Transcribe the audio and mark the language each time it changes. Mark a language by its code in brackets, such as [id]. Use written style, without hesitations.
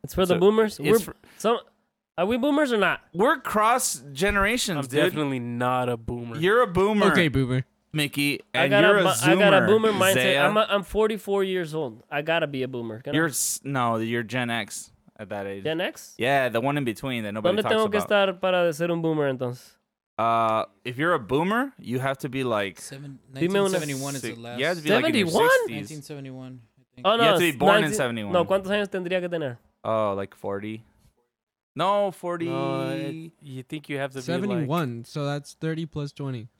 [en] It's for the boomers? Are we boomers or not? We're cross generations, dude. I'm definitely not a boomer. You're a boomer. Okay, boomer. Mickey, and you're a zoomer. I got a boomer mindset. I'm 44 years old. I gotta be a boomer. You're Gen X at that age. Gen X? Yeah, the one in between that nobody talks about. [es] ¿Dónde tengo que estar para ser un boomer entonces? [en] If you're a boomer, you have to be like 1971 is the last. You have to be 71? Like in your 60s. 1971. I think. Oh, no, you have to be born in 71. [es] No, ¿cuántos años tendría que tener? [en] Oh, like 40. No, 40. No, you think you have to 71, be 71? Like... So that's 30 plus 20.